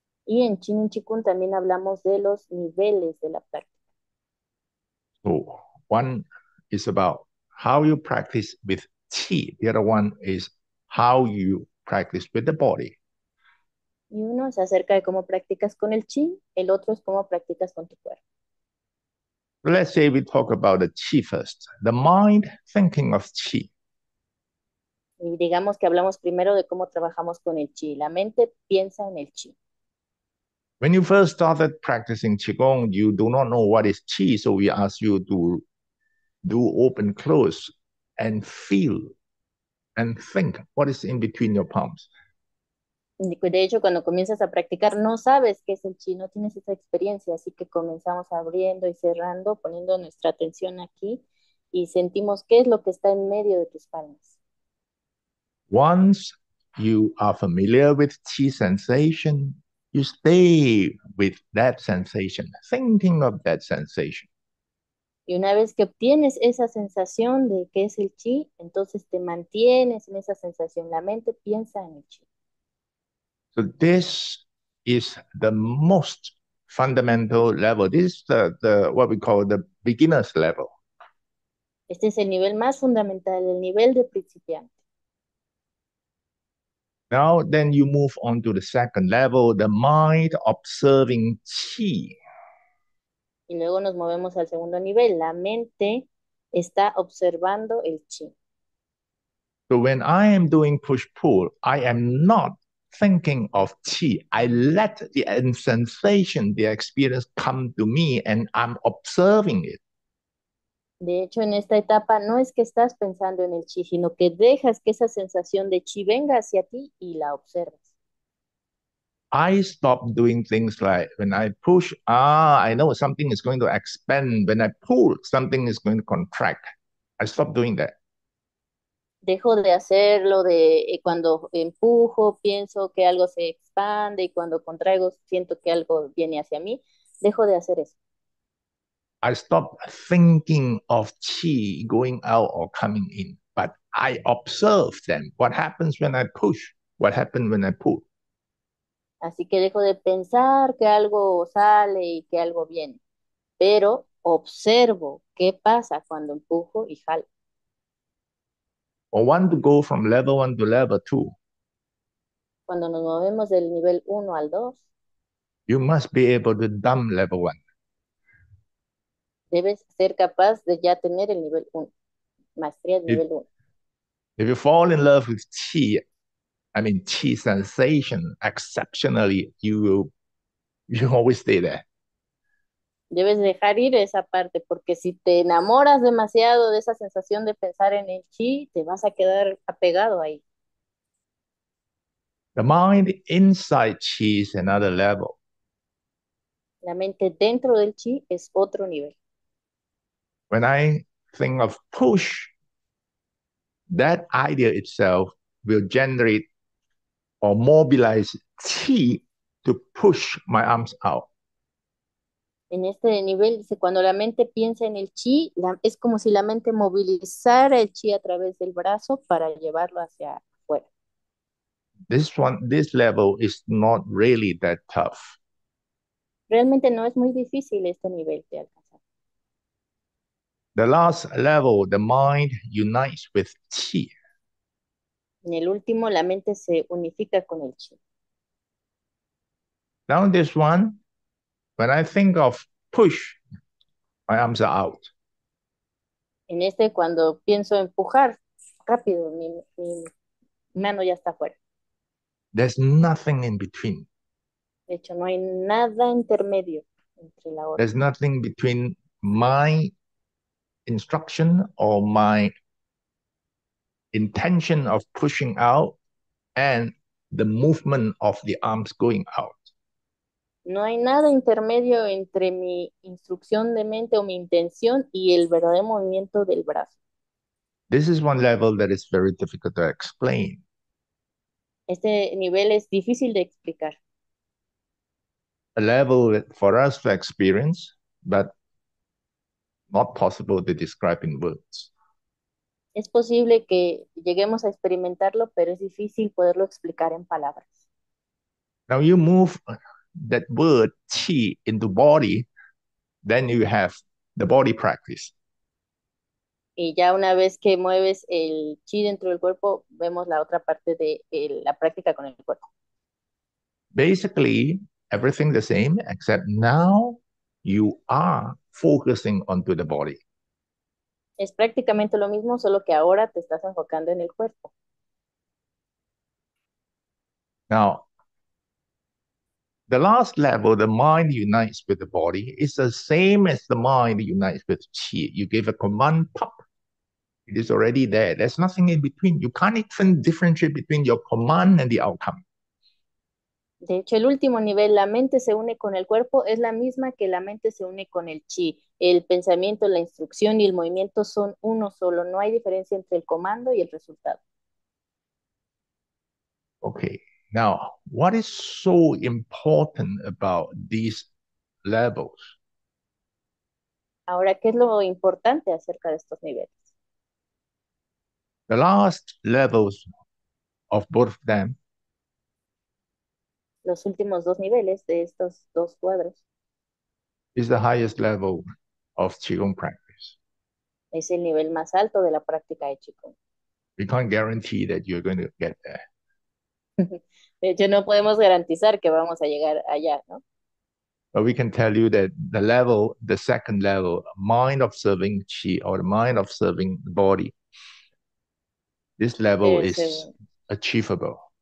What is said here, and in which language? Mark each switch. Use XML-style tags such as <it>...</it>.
<es>Y en Chin Chi Kung también hablamos de los niveles de la práctica.</es> <en>So, one is about how you practice with chi, the other one is how you practice with the body.</en> <es>Y uno es acerca de cómo practicas con el chi, el otro es cómo practicas con tu cuerpo.</es> <en>Let's say we talk about the qi first, the mind thinking of qi.</en> <es>Y digamos que hablamos primero de cómo trabajamos con el chi. La mente piensa en el chi.</es> <en>When you first started practicing qigong, you do not know what is qi, so we ask you to do open close and feel and think what is in between your palms.</en> <es>De hecho, cuando comienzas a practicar, no sabes qué es el chi, no tienes esa experiencia, así que comenzamos abriendo y cerrando, poniendo nuestra atención aquí y sentimos qué es lo que está en medio de tus palmas.</es> <en>Once you are familiar with qi sensation, you stay with that sensation, thinking of that sensation.</en> <es>Y una vez que obtienes esa sensación de qué es el chi, entonces te mantienes en esa sensación, la mente piensa en el chi.</es> <en>So this is the most fundamental level. This is the what we call the beginner's level.</en> <es>Este es el nivel más fundamental, el nivel de principiante.</es> <en>Now, then you move on to the second level, the mind observing qi.</en> <es>Y luego nos movemos al segundo nivel. La mente está observando el chi.</es> <en>So when I am doing push-pull, I am not thinking of qi. I let the end sensation, the experience come to me and I'm observing it.</en> <es>De hecho, en esta etapa no es que estás pensando en el chi, sino que dejas que esa sensación de chi venga hacia ti y la observas.</es> <en>I stop doing things like when I push, I know something is going to expand. When I pull, something is going to contract. I stop doing that.</en> <es>Dejo de hacerlo de cuando empujo, pienso que algo se expande y cuando contraigo, siento que algo viene hacia mí. Dejo de hacer eso.</es> <en>I stop thinking of qi going out or coming in, but I observe them. What happens when I push? What happens when I pull?</en> <es>Así que dejo de pensar que algo sale y que algo viene, pero Observo qué pasa cuando empujo y jalo.</es> <en>O want to go from level 1 to level 2.</en> <es>Cuando nos movemos del nivel 1 al 2,</es> <en>You must be able to dumb level 1.</en> <es>debes ser capaz de ya tener el nivel 1, maestría de nivel 1.</es> <en>You fall in love with tea, I mean tea sensation, exceptionally, you always stay there.</en> <es>Debes dejar ir esa parte, porque si te enamoras demasiado de esa sensación de pensar en el chi, te vas a quedar apegado ahí.</es> <en>The mind inside chi is another level.</en> <es>La mente dentro del chi es otro nivel.</es> <en>When I think of push, that idea itself will generate or mobilize chi to push my arms out.</en> <es>En este nivel dice, cuando la mente piensa en el chi, es como si la mente movilizara el chi a través del brazo para llevarlo hacia afuera.</es> <en>This level is not really that tough.</en> <es>Realmente no es muy difícil este nivel de alcanzar.</es> <en>The last level, the mind unites with qi.</en> <es>En el último, la mente se unifica con el chi.</es> <en>Now this one, when I think of push, my arms are out.</en> <es>En este, cuando pienso empujar rápido, mi mano ya está fuera.</es> <en>There's nothing in between.</en> <es>De hecho, no hay nada intermedio entre la otra.</es> <en>There's nothing between my instruction or my intention of pushing out and the movement of the arms going out.</en> <es>No hay nada intermedio entre mi instrucción de mente o mi intención y el verdadero movimiento del brazo.</es> <en>This is one level that is very difficult to explain.</en> <es>Este nivel es difícil de explicar.</es> <en>A level for us to experience, but not possible to describe in words.</en> <es>Es posible que lleguemos a experimentarlo, pero es difícil poderlo explicar en palabras.</es> <en>Now you move that word qi into body, then you have the body practice.</en> <es>Y ya una vez que mueves el chi dentro del cuerpo, vemos la otra parte de la práctica con el cuerpo.</es> <en>Basically, everything the same, except now you are focusing onto the body.</en> <es>Es prácticamente lo mismo, solo que ahora te estás enfocando en el cuerpo.</es> <en>Now, the last level, the mind unites with the body, is the same as the mind unites with qi. You give a command, pop, it is already there. There's nothing in between. You can't even differentiate between your command and the outcome.</en> <es>De hecho, el último nivel, la mente se une con el cuerpo, es la misma que la mente se une con el chi. El pensamiento, la instrucción y el movimiento son uno solo. No hay diferencia entre el comando y el resultado.</es> <en>Okay, now what is so important about these levels?</en> <es>Ahora, ¿qué es lo importante acerca de estos niveles?</es> <en>The last levels of both of them</en> <es>Los últimos dos niveles de estos dos cuadros</es> <en>is the highest level of Qigong practice.</en> <es>es el nivel más alto de la práctica de Qigong.</es> <en>We can't guarantee that you're going to get there.</en> <es>De hecho, no podemos garantizar que vamos a llegar allá, ¿no?</es> <en>But we can tell you that the level, the second level, mind observing qi or mind observing body, this level is achievable.</en>